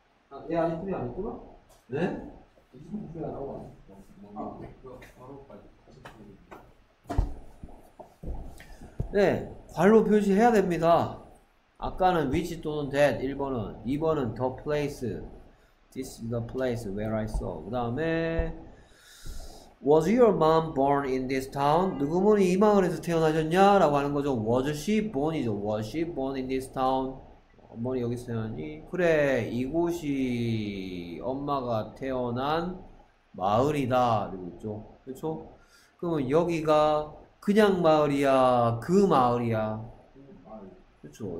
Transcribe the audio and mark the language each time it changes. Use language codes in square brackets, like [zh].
[ko] 아, 얘 아직 풀이 안 했구나? 네? 무슨 풀이 안 하고 아, 바로 빨리 다시 풀이. 네, 괄호 표시해야 됩니다. 아까는 which 또는 that, 1번은, 2번은 the place. [en] This is the place where I saw. [ko] 그 다음에, [en] Was your mom born in this town? [ko] 누구 분이 이 마을에서 태어나셨냐? 라고 하는 거죠. [en] Was she born이죠. Was she born in this town? [ko] 어머니 여기서 태어났니? 그래, 이곳이 엄마가 태어난 마을이다. 이러고 있죠. 그쵸? 그러면 여기가 그냥 마을이야. 그 마을이야. 그쵸.